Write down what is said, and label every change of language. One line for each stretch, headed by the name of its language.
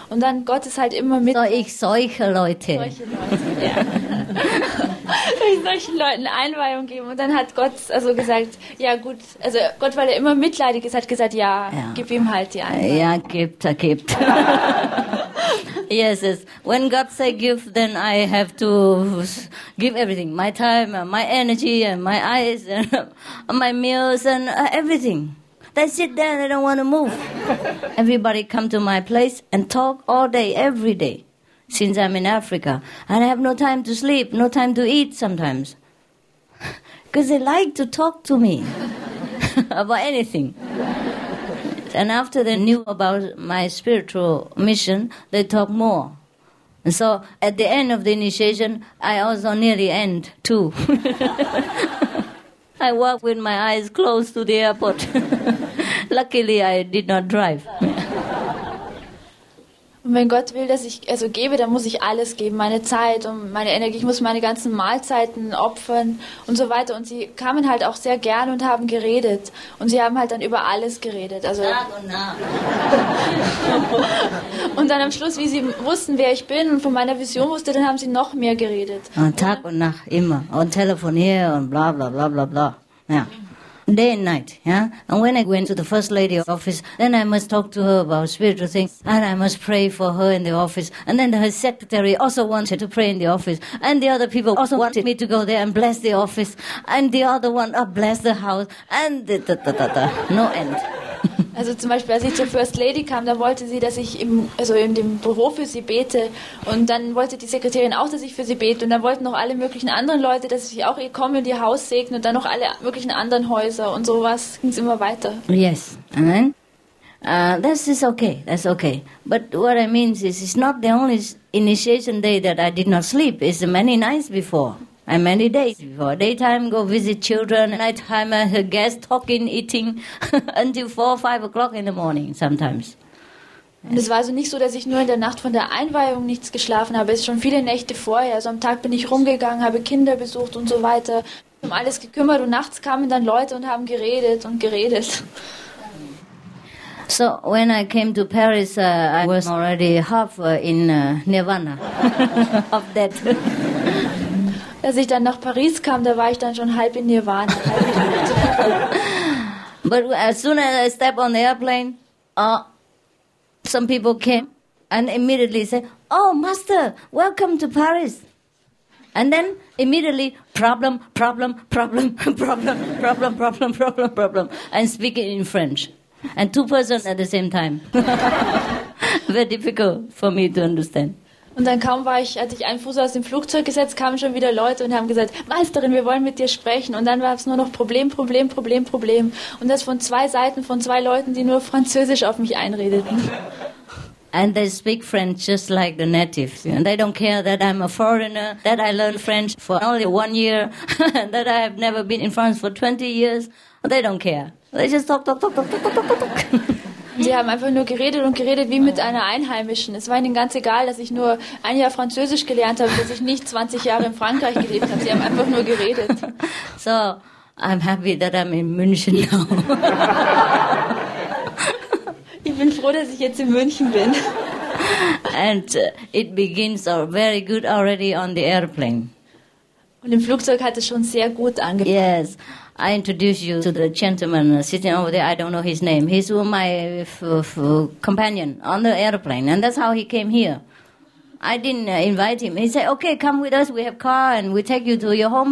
German: Und dann, Gott ist halt immer mit. Soll ich solche Leute? Solche Leute, ja. Soll ich solchen Leuten Einweihung geben? Und dann hat Gott also gesagt, ja gut, also Gott, weil er immer mitleidig ist, hat gesagt, ja, gib ihm halt die Einweihung. Ja, gibt. Yes.
English: When God say give, then I have to give everything. My time, my energy, and my eyes, and my meals, and everything. They sit there, they don't want to move. Everybody come to my place and talk all day, every day, since I'm in Africa. And I have no time to sleep, no time to eat sometimes. Because they like to talk to me about anything. And after they knew about my spiritual mission, they talk more. And so at the end of the initiation, I also nearly end too. I walk with my eyes closed to the airport. Luckily, I did not drive.
German: Und wenn Gott will, dass ich also gebe, dann muss ich alles geben, meine Zeit und meine Energie, ich muss meine ganzen Mahlzeiten opfern und so weiter. Und sie kamen halt auch sehr gerne und haben geredet. Und sie haben halt dann über alles geredet. Also und dann am Schluss, wie sie wussten, wer ich bin und von meiner Vision wusste, dann haben sie noch mehr geredet. Und Tag und Nacht, immer. Und telefonieren und bla bla bla bla bla. Ja.
English: Day and night, yeah? And when I went to the First Lady's office, then I must talk to her about spiritual things, and I must pray for her in the office. And then her secretary also wanted to pray in the office, and the other people also wanted me to go there and bless the office, and the other one, bless the house, and da-da-da-da-da. No end.
German: Also zum Beispiel, als ich zur First Lady kam, da wollte sie, dass ich in dem Büro für sie bete. Und dann wollte die Sekretärin auch, dass ich für sie bete. Und dann wollten noch alle möglichen anderen Leute, dass ich auch ihr komme und ihr Haus segne. Und dann noch alle möglichen anderen Häuser und sowas. Ging es immer weiter.
English: Yes. Amen. That's okay. But what I mean is, it's not the only initiation day that I did not sleep. It's many nights before. And many days before. Daytime, go visit children. Nighttime, her guests talking, eating until 4 or 5 o'clock in the morning sometimes.
German: Und es war also nicht so, dass ich nur in der Nacht von der Einweihung nichts geschlafen habe. Es ist schon viele Nächte vorher. Also am Tag bin ich rumgegangen, habe Kinder besucht und so weiter. Ich habe alles gekümmert und nachts kamen dann Leute und haben geredet und geredet.
English: So, when I came to Paris, I was already half in Nirvana of that.
German: Als ich dann nach Paris kam, da war ich dann schon halb in Nirvana.
English: But as soon as I step on the airplane, some people came and immediately say, "Oh, Master, welcome to Paris." And then immediately, problem, problem, problem, problem, problem, problem, problem, problem, and speaking in French. And two persons at the same time. Very difficult for me to understand.
German: Und dann kaum war ich, hatte ich einen Fuß aus dem Flugzeug gesetzt, kamen schon wieder Leute und haben gesagt, Meisterin, wir wollen mit dir sprechen. Und dann war es nur noch Problem, Problem, Problem, Problem. Und das von zwei Seiten, von zwei Leuten, die nur Französisch auf mich einredeten.
English: And they speak French just like the natives. And they don't care that I'm a foreigner, that I learned French for only 1 year, that I have never been in France for 20 years. They don't care. They just talk, talk, talk, talk, talk, talk, talk, talk.
German: Sie haben einfach nur geredet und geredet wie mit einer Einheimischen. Es war ihnen ganz egal, dass ich nur ein Jahr Französisch gelernt habe, dass ich nicht 20 Jahre in Frankreich gelebt habe. Sie haben einfach nur geredet.
English: So, I'm happy that I'm in München now.
German: Ich bin froh, dass ich jetzt in München bin.
English: And it begins very good already on the airplane.
German: Und im Flugzeug hat es schon sehr gut angefangen.
English: Yes. I introduce you to the gentleman sitting over there. I don't know his name. He's my companion on the airplane. And that's how he came here. I didn't invite him. He said, okay, come with us. We have car and we take you to your home.